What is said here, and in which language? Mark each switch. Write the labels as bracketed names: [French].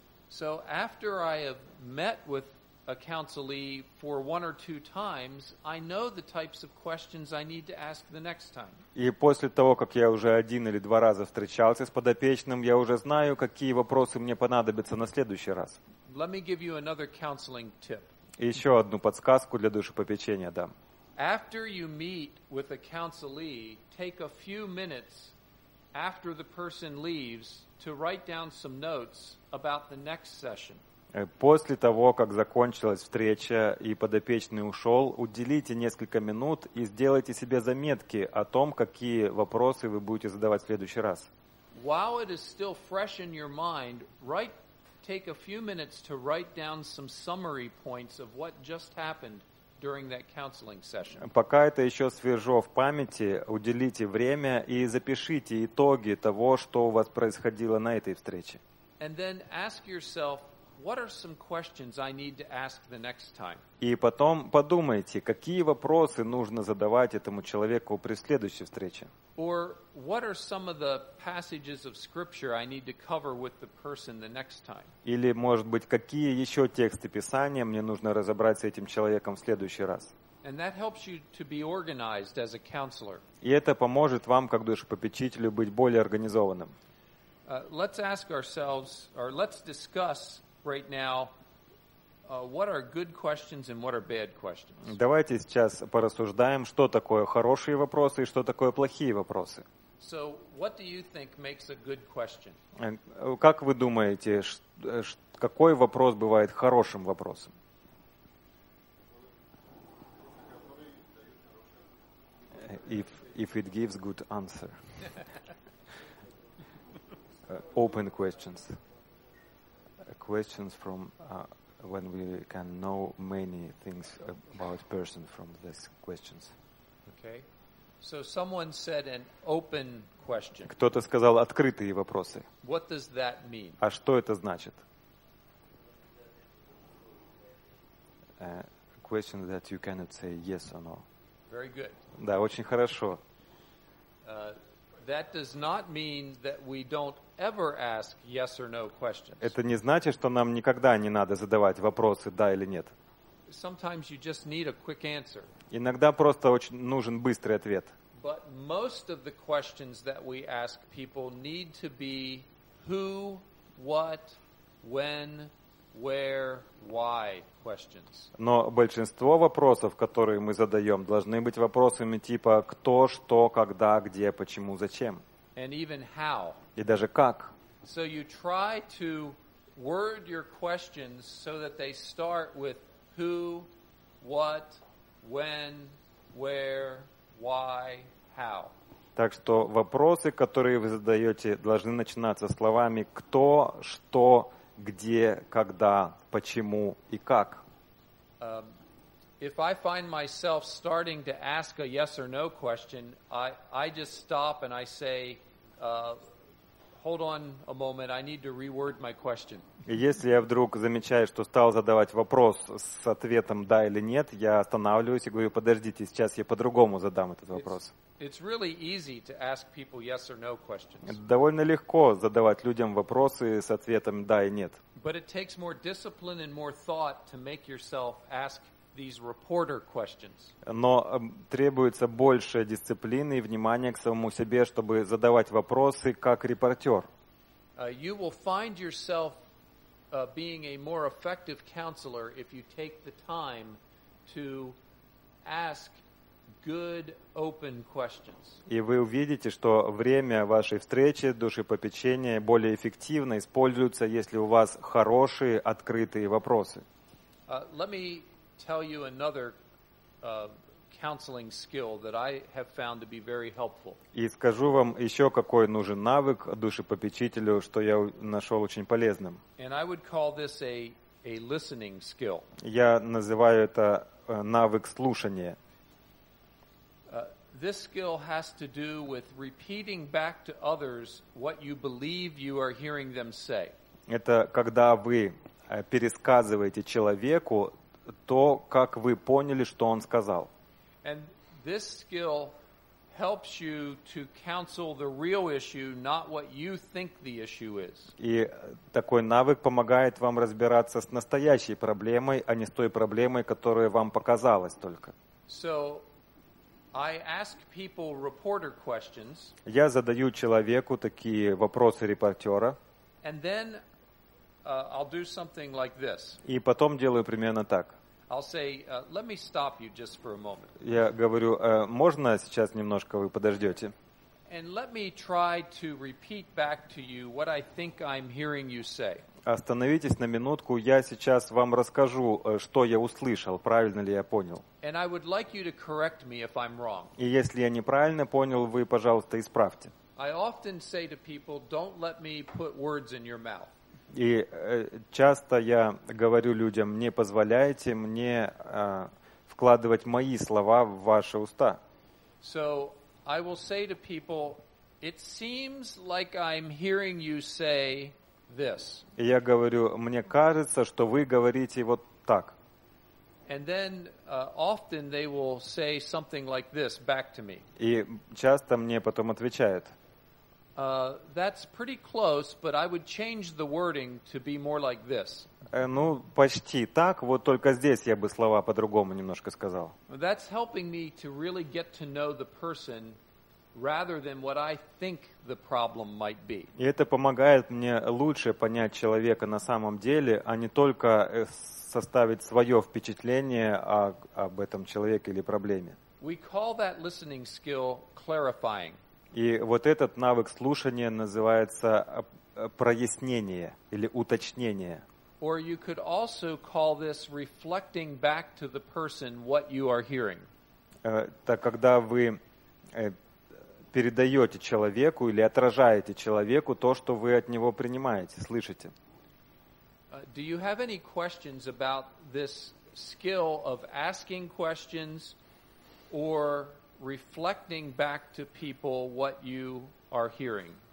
[English] So after I have met with a counselee for one or two times, I know the types of questions I need to ask the next time. [Russian] И после того, как я уже один или два раза встречался с подопечным, я уже знаю, какие вопросы мне понадобятся на следующий раз. [English] Let me give you another counseling tip. [Russian] Еще одну подсказку для душепопечения дам. [English] After you meet with a counselee, take a few minutes after the person leaves to write down some notes about the next session. [Russian] После того, как закончилась встреча и подопечный ушел, уделите несколько минут и сделайте себе заметки о том, какие вопросы вы будете задавать в следующий раз. [English] While it is still fresh in your mind, take a few minutes to write down some summary points of what just happened during that counseling session. [Russian] Пока это еще свежо в памяти, уделите время и запишите итоги того, что у вас происходило на этой встрече. [English] And then ask yourself, what are some questions I need to ask the next time? [Russian] И потом подумайте, какие вопросы нужно задавать этому человеку при следующей встрече. [English] Or what are some of the passages of scripture I need to cover with the person the next time? [Russian] Или, может быть, какие еще тексты Писания мне нужно разобрать с этим человеком в следующий раз? [English] And that helps you to be organized as a counselor. [Russian] И это поможет вам, как душепопечителю, быть более организованным. [English] Let's discuss right now what are good questions and what are bad questions. [Russian] Давайте сейчас порассуждаем, что такое хорошие вопросы и что такое плохие вопросы. [English] So what do you think makes a good question? [Russian] Как вы думаете, какой вопрос бывает хорошим вопросом? [English] If it gives good answer. Open questions. Questions from when we can know many things about person from these questions. Okay. So someone said an open question. [Russian] Кто-то сказал открытые вопросы. [English] What does that mean? [Russian] А что это значит? [English] Question that you cannot say yes or no. Very good. [Russian] Да, очень хорошо. [English] That does not mean that we don't ever ask yes or no questions. [Russian] Это не значит, что нам никогда не надо задавать вопросы да или нет. [English] Sometimes you just need a quick answer. [Russian] Иногда просто очень нужен быстрый ответ. [English] But most of the questions that we ask people need to be who, what, when, where, why questions. [Russian] Но большинство вопросов, которые мы задаем, должны быть вопросами типа кто, что, когда, где, почему, зачем. [English] And even how. [Russian] И даже как. [English] So you try to word your questions so that they start with who, what, when, where, why, how. [Russian] Так что вопросы, которые вы задаете, должны начинаться словами кто, что, где, когда, почему и как. [English] If I find myself starting to ask a yes or no question, I just stop and I say, hold on a moment, I need to reword my question. [Russian] Если я вдруг замечаю, что стал задавать вопрос с ответом да или нет, я останавливаюсь и говорю, подождите, сейчас я по-другому задам этот вопрос. [English] It's really easy to ask people yes or no questions. [Russian] Довольно легко задавать людям вопросы с ответом да и нет. [English] But it takes more discipline and more thought to make yourself ask these reporter questions. [Russian] Но требуется больше дисциплины и внимания к самому себе, чтобы задавать вопросы как репортер. [English] You will find yourself being a more effective counselor if you take the time to ask good open questions. [Russian] И вы увидите, что время вашей встречи, душепопечения более эффективно используется, если у вас хорошие открытые вопросы. [English] Let me tell you another counseling skill that I have found to be very helpful. [Russian] И скажу вам еще какой нужен навык душепопечителю, что я нашел очень полезным. [English] And I would call this a listening skill. [Russian] Я называю это навык слушания. [English] This skill has to do with repeating back to others what you believe you are hearing them say. [Russian] Это когда вы пересказываете человеку то, как вы поняли, что он сказал. [English] And this skill helps you to counsel the real issue, not what you think the issue is. [Russian] И такой навык помогает вам разбираться с настоящей проблемой, а не с той проблемой, которая вам показалась только. [English] So I ask people reporter questions. [Russian] Я задаю человеку такие вопросы репортера. [English] And then I'll do something like this. [Russian] И потом делаю примерно так. [English] I'll say, let me stop you just for a moment. [Russian] Я говорю, можно сейчас немножко вы подождете? [English] And let me try to repeat back to you what I think I'm hearing you say. [Russian] Остановитесь на минутку, я сейчас вам расскажу, что я услышал, правильно ли я понял. [English] And I would like you to correct me if I'm wrong. [Russian] И если я неправильно понял, вы, пожалуйста, исправьте. [English] I often say to people, don't let me put words in your mouth. [Russian] И часто я говорю людям, не позволяйте мне вкладывать мои слова в ваши уста. [English] So I will say to people, it seems like I'm hearing you say this. [Russian] И я говорю, мне кажется, что вы говорите вот так. [English] And then often they will say something like this back to me. [Russian] И часто мне потом отвечают. [English] That's pretty close, but I would change the wording to be more like this. [Russian] Ну, почти так, вот только здесь я бы слова по-другому немножко сказал. [English] That's helping me to really get to know the person rather than what I think the problem might be. [Russian] И это помогает мне лучше понять человека на самом деле, а не только составить свое впечатление об этом человеке или проблеме. [English] We call that listening skill clarifying. [Russian] И вот этот навык слушания называется прояснение или уточнение. [English] Or you could also call this reflecting back to the person what you are hearing. [Russian] Так когда вы передаете человеку или отражаете человеку то, что вы от него принимаете, слышите. [English] Do you have any questions about this skill of asking questions or reflecting back to people what you are hearing.